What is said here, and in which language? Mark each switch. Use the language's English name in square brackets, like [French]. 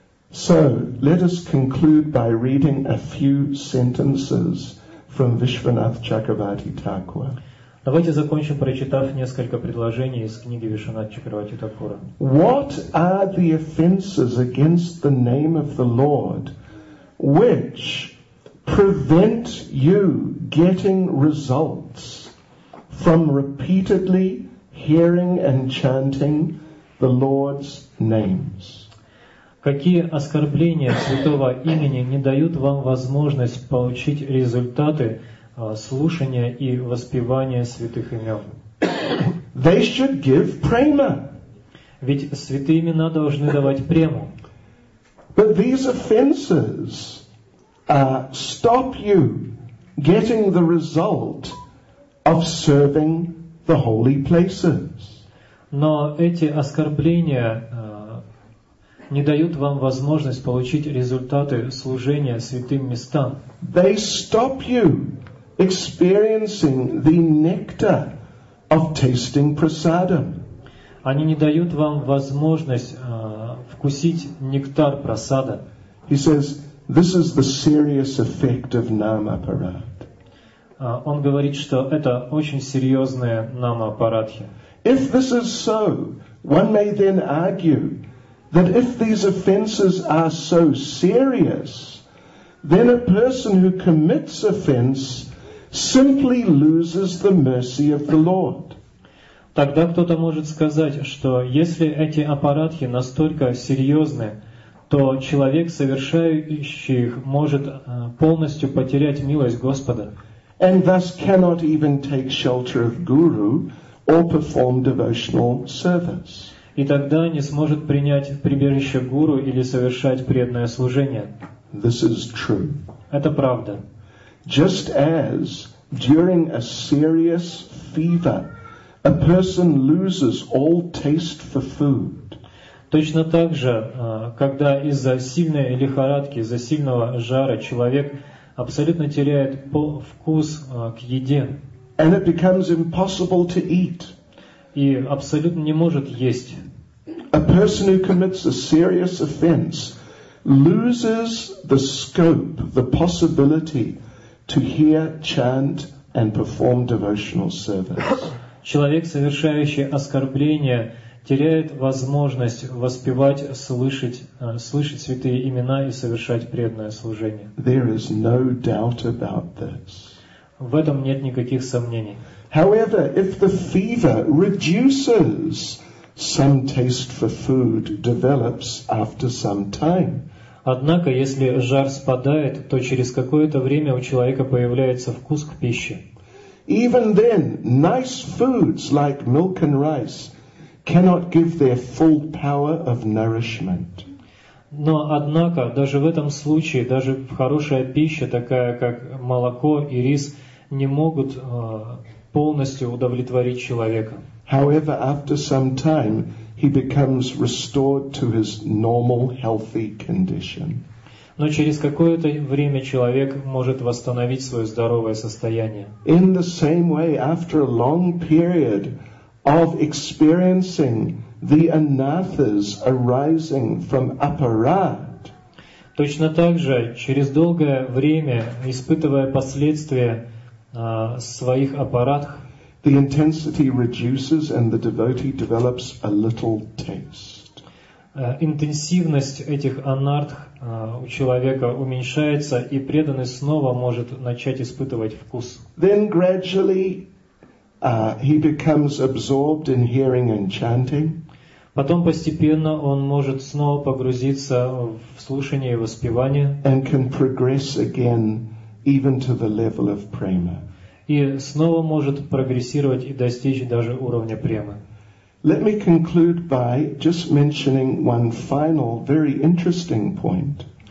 [English] So, let us conclude by reading a few sentences from Vishwanath Chakravarti Thakura. [Russian] Давайте закончим, прочитав несколько предложений из книги Вишванат Чакравати Такура. [English] What are the offenses against the name of the Lord which prevent you getting results from repeatedly hearing and chanting the Lord's names? [Russian] Какие оскорбления святого имени не дают вам возможность получить результаты слушания и воспевания святых имен? [English] They should give prema. [Russian] Ведь святые имена должны давать прему. [English] But these offenses stop you getting the result of serving the holy places. [Russian] Но эти оскорбления не дают вам возможность получить результаты служения святым местам. [English] They stop you experiencing the nectar of tasting prasadam. [Russian] Они не дают вам возможность вкусить нектар прасада. [English] He says, this is the serious effect of nama-parad. [Russian] Он говорит, что это очень серьезное нама-парадхи. [English] If this is so, one may then argue that if these offenses are so serious, then a person who commits offense simply loses the mercy of the Lord. [Russian] Тогда кто-то может сказать, что если эти аппаратхи настолько серьезны, то человек, совершающий их, может полностью потерять милость Господа. [English] And thus cannot even take shelter of guru or perform devotional service. [Russian] И тогда не сможет принять прибежище гуру или совершать преданное служение. [English] This is true. [Russian] Это правда. [English] Just as during a serious fever, a person loses all taste for food. [Russian] Точно так же, когда из-за сильной лихорадки, из-за сильного жара человек абсолютно теряет вкус к еде. [English] And it becomes impossible to eat. [Russian] И абсолютно не может есть. [English] A person who commits a serious offense loses the scope, the possibility to hear, chant, and perform devotional service. [Russian] Человек, совершающий оскорбление, теряет возможность воспевать, слышать святые имена и совершать преданное служение. [English] There is no doubt about this. [Russian] В этом нет никаких сомнений. [English] However, if the fever reduces, some taste for food develops after some time. [Russian] Однако, если жар спадает, то через какое-то время у человека появляется вкус к пище. [English] Even then, nice foods like milk and rice cannot give their full power of nourishment. [Russian] Но, однако, даже в этом случае, даже хорошая пища, такая как молоко и рис, не могут полностью удовлетворить человека. [English] However, after some time, he becomes restored to his normal healthy condition. [Russian] Но через какое-то время человек может восстановить свое здоровое состояние. [English] In the same way, after a long period of experiencing the anathas arising from aparad. [Russian] Точно так же, через долгое время, испытывая последствия своих апарадх, [English] the intensity reduces and the devotee develops a little taste. [Russian] Интенсивность этих анардх у человека уменьшается, и преданный снова может начать испытывать вкус. [English] Then gradually he becomes absorbed in hearing and chanting. [Russian] Потом постепенно он может снова погрузиться в слушание и воспевание. [English] And can progress again even to the level of prema. [Russian] И снова может прогрессировать и достичь даже уровня премы. [English] Let me conclude by just mentioning one final, very interesting point.